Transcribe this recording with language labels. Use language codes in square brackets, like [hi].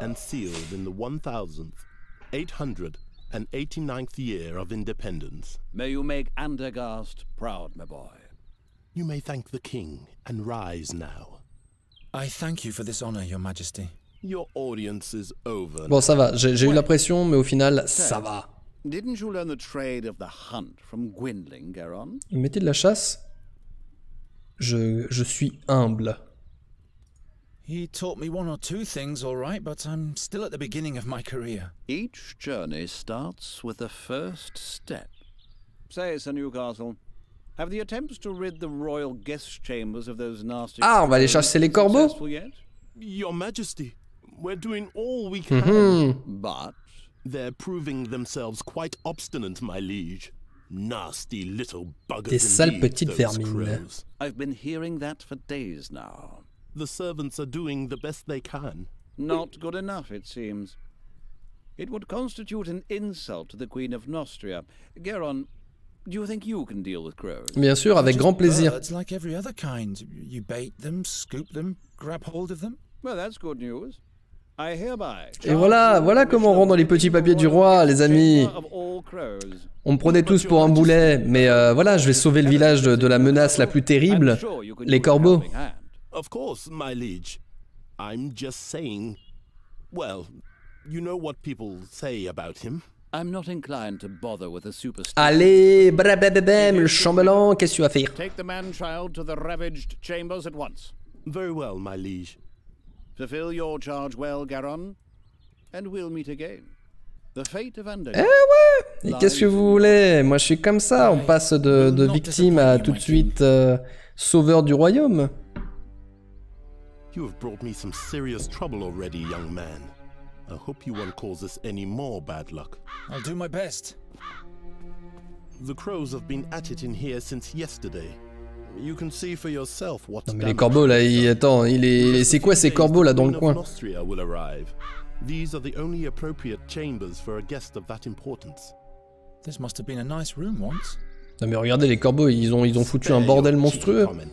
[en] ...and sealed in the 1889th year of independence. May you make Andergast proud, my boy. You may thank the king and rise now. I thank you for this honor, Your Majesty. Your audience is over. [fr] Bon, ça va. J'ai eu la pression, mais au final, ça va. [en] Didn't you learn the trade of the hunt from Gwynling, Garon? [fr] Mettez de la chasse. Je suis humble. [en] He taught me one or two things, all right, but I'm still at the beginning of my career. Each journey starts with a first step. Say, Sir Newcastle, have the attempts to rid the royal guest chambers of those nasty... [fr] Ah, on va aller chasser les corbeaux. [en] Your Majesty, we're doing all we can. Mm-hmm. But they're proving themselves quite obstinate, my liege. Nasty little buggers. [fr] Des sales petites vermines. [en] I've been hearing that for days now. The servants are doing the best they can. Not good enough, it seems. It would constitute an insult to the Queen of Nostria. Geron, do you think you can deal with crows? [fr] Bien sûr, avec grand plaisir. [en] It's like every other kind. You bait them, scoop them, grab hold of them. Well, that's good news. I hereby. [fr] Et voilà, voilà comment on rend dans les petits papiers du roi, les amis. On me prenait tous pour un boulet, mais voilà, je vais sauver le village de la menace la plus terrible, les corbeaux. [en] Of course, my liege. I'm just saying. Well, you know what people say about him. I'm not inclined to bother with a superstar. [fr] Allez, brababem, le chambellan, qu'est-ce que tu vas faire? [en] Take the man child to the ravaged chambers at once. Very well, my liege. Fulfill your charge well, Garon, and we'll meet again. The fate of Andor. [fr] Eh ouais! Et qu'est-ce que vous voulez? Moi je suis comme ça, on passe de victime à tout de suite sauveur du royaume. [en] You have brought me some serious trouble already, young man. I hope you won't cause us any more bad luck. I'll do my best. The crows have been at it in here since yesterday. You can see for yourself what. [fr] Non, mais les corbeaux là, c'est quoi ces corbeaux là dans le coin? [en] Nostria will arrive. These are the only appropriate chambers for a guest of that importance. This must have been a nice room once. [fr] Non mais regardez les corbeaux, ils ont foutu un bordel monstrueux.